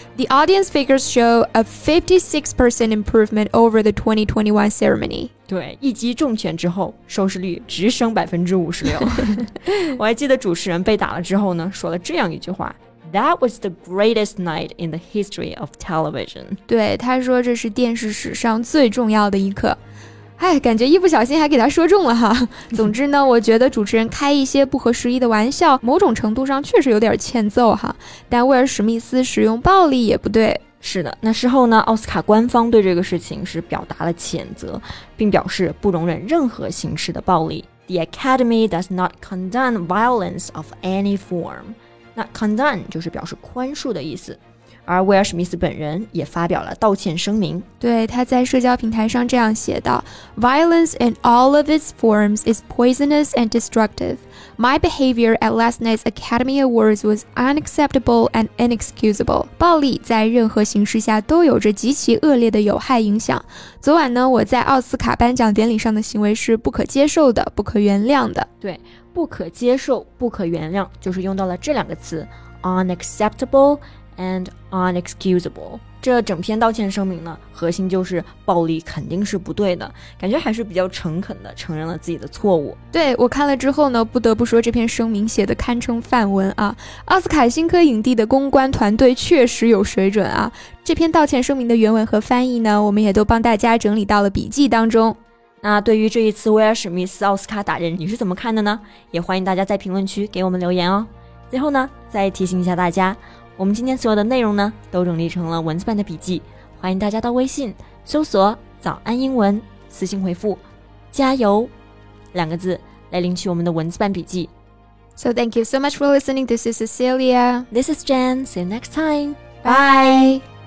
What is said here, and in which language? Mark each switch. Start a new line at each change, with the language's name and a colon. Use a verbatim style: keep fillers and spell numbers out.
English: The audience figures show a fifty-six percent improvement over the twenty twenty-one ceremony.
Chinese: 对，一击重拳之后，收视率直升 百分之五十六。我还记得主持人被打了之后呢，说了这样一句话，
English: That was the greatest night in the history of television.
Chinese: 对，他说这是电视史上最重要的一刻。哎，感觉一不小心还给他说中了哈。总之呢，我觉得主持人开一些不合时宜的玩笑，某种程度上确实有点欠揍哈。但威尔史密斯使用暴力也不对。是的，那事后呢，奥斯卡官方对这个事情是表达了谴责，并表示不容忍任何形式的暴力。
English: The Academy does not condone violence of any form.
Chinese: 那 condone 就是表示宽恕的意思。而威尔史密斯本人也发表了道歉声明。对，他在社交平台上这样写道
English: Violence in all of its forms is poisonous and destructive. My behavior at last night's Academy Awards was unacceptable and inexcusable.
Chinese: 暴力在任何形式下都有着极其恶劣的有害影响。昨晚呢，我在奥斯卡颁奖典礼上的行为是不可接受的，不可原谅的。对，不可接受，不可原谅，就是用到了这两个词
English: unacceptable and unexcusable.
Chinese: 这整篇道歉声明呢，核心就是暴力肯定是不对的，感觉还是比较诚恳的承认了自己的错误。对，我看了之后呢，不得不说这篇声明写的堪称范文啊。奥斯卡新科影帝的公关团队确实有水准啊。这篇道歉声明的原文和翻译呢，我们也都帮大家整理到了笔记当中。那对于这一次威尔史密斯奥斯卡打人，你是怎么看的呢？也欢迎大家在评论区给我们留言哦。最后呢，再提醒一下大家，我们今天所有的内容呢，都整理成了文字版的笔记，欢迎大家到微信搜索早安英文，私信回复加油两个字来领取我们的文字版笔记。
English: So thank you so much for listening. This is Cecilia. This is Jen. See you next time. Bye.